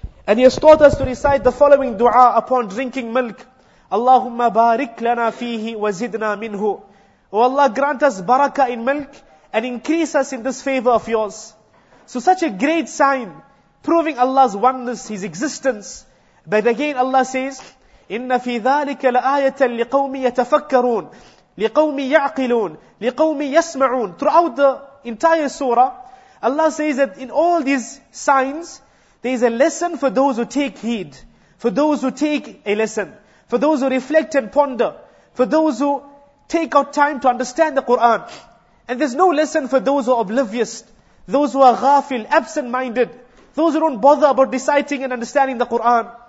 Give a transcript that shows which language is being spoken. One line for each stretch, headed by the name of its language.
English: And He has taught us to recite the following dua upon drinking milk.
Arabic: Allahumma barik lana fihi wa zidna minhu.
English: O Allah, grant us barakah in milk and increase us in this favor of Yours. So such a great sign, proving Allah's oneness, His existence. But again Allah says,
Arabic: إِنَّ فِي ذَٰلِكَ لَآيَةً لِقَوْمِ يَتَفَكَّرُونَ لِقَوْمِ يَعْقِلُونَ لِقَوْمِ يَسْمَعُونَ.
English: Throughout the entire surah, Allah says that in all these signs, there is a lesson for those who take heed, for those who take a lesson, for those who reflect and ponder, for those who take out time to understand the Qur'an. And there's no lesson for those who are oblivious, those who are ghafil, absent-minded, those who don't bother about reciting and understanding the Qur'an.